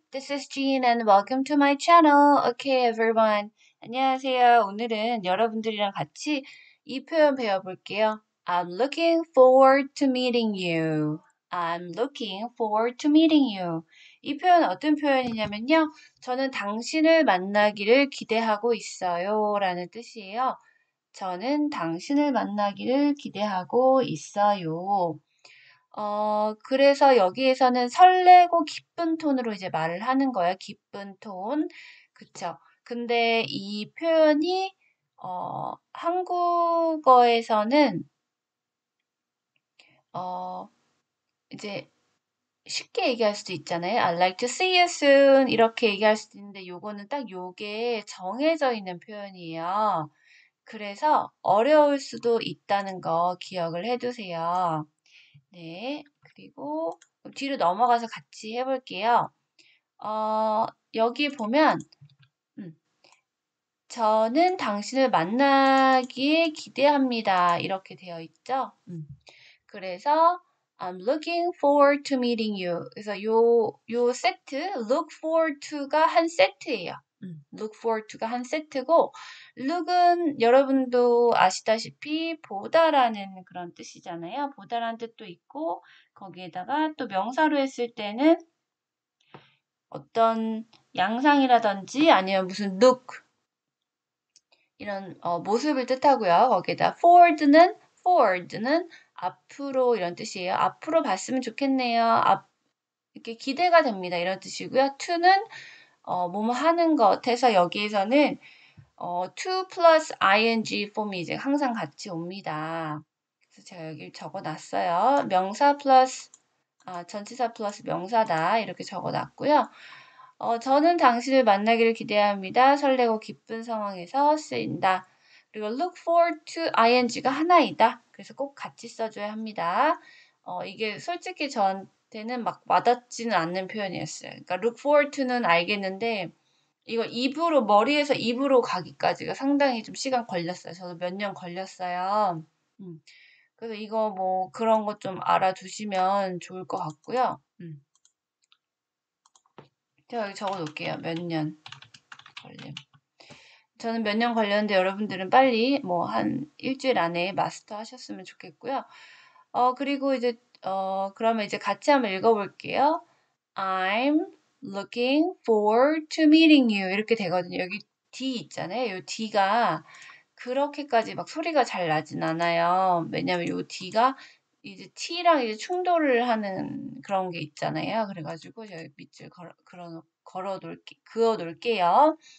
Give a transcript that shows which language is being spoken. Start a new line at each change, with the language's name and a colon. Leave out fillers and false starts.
English: This is Jean and welcome to my channel. Okay, everyone.
Korean: 안녕하세요. 오늘은 여러분들이랑 같이 이 표현 배워볼게요.
English: I'm looking forward to meeting you. I'm looking forward to meeting you.
Korean: 이 표현 어떤 표현이냐면요. 저는 당신을 만나기를 기대하고 있어요라는 뜻이에요. 저는 당신을 만나기를 기대하고 있어요. 그래서 여기에서는 설레고 기쁜 톤으로 이제 말을 하는 거예요. 기쁜 톤. 그쵸. 근데 이 표현이, 한국어에서는, 이제 쉽게 얘기할 수도 있잖아요.
English: I'd like to see you soon.
Korean: 이렇게 얘기할 수도 있는데, 요거는 딱 요게 정해져 있는 표현이에요. 그래서 어려울 수도 있다는 거 기억을 해 두세요. 네, 그리고 뒤로 넘어가서 같이 해볼게요. 여기 보면 저는 당신을 만나기에 기대합니다. 이렇게 되어 있죠? 그래서
English: I'm looking forward to meeting you.
Korean: 그래서 요 세트, look forward to가 한 세트예요. Look forward to가 한 세트고, look은 여러분도 아시다시피 보다라는 그런 뜻이잖아요. 보다라는 뜻도 있고, 거기에다가 또 명사로 했을 때는 어떤 양상이라든지 아니면 무슨 look 이런 모습을 뜻하고요. 거기에다 forward는 앞으로 이런 뜻이에요. 앞으로 봤으면 좋겠네요. 이렇게 기대가 됩니다. 이런 뜻이고요. to는 뭐뭐 하는 것 해서 여기에서는 to plus ing form이 이제 항상 같이 옵니다. 그래서 제가 여기 적어 놨어요. 명사 플러스 전치사 플러스 명사다 이렇게 적어 놨고요. 저는 당신을 만나기를 기대합니다. 설레고 기쁜 상황에서 쓰인다. 그리고 look forward to ing가 하나이다. 그래서 꼭 같이 써줘야 합니다. 이게 솔직히 전 때는 막 와닿지는 않는 표현이었어요. 그러니까 look forward to는 알겠는데 이거 입으로 머리에서 입으로 가기까지가 상당히 좀 시간 걸렸어요. 저도 몇년 걸렸어요. 그래서 이거 뭐 그런 것좀 알아두시면 좋을 것 같고요. 제가 여기 적어놓을게요. 몇년 걸림. 저는 몇년 걸렸는데 여러분들은 빨리 뭐한 일주일 안에 마스터 하셨으면 좋겠고요. 그리고 이제 그러면 이제 같이 한번 읽어볼게요.
English: I'm looking forward to meeting you.
Korean: 이렇게 되거든요. 여기 D 있잖아요. 요 D가 그렇게까지 막 소리가 잘 나진 않아요. 왜냐면 요 D가 이제 T랑 이제 충돌을 하는 그런 게 있잖아요. 그래가지고 제가 밑줄 그어 놓을게요.